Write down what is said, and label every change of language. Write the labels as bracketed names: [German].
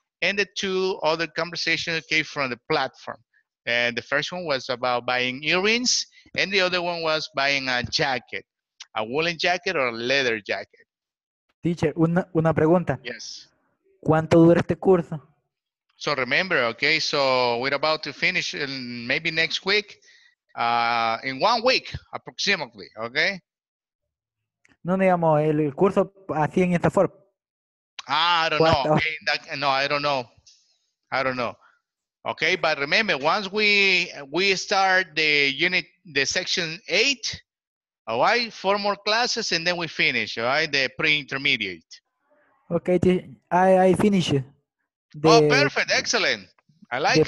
[English] And the two other conversations, okay, from the platform. And the first one was about buying earrings, and the other one was buying a jacket, a woolen jacket or a leather jacket. [Spanish] Teacher, una pregunta. [English] Yes. [Spanish] ¿Cuánto dura este curso? [English] So remember, okay, so we're about to finish in maybe next week, in 1 week approximately, okay? [Spanish] No, digamos, el curso así en esta forma. [English] Ah, I don't know. Okay, I don't know. Okay, but remember, once we start the unit, the section 8, all right, 4 more classes, and then we finish, all right, the pre-intermediate. Okay, I finish. Oh, perfect, excellent. I like it.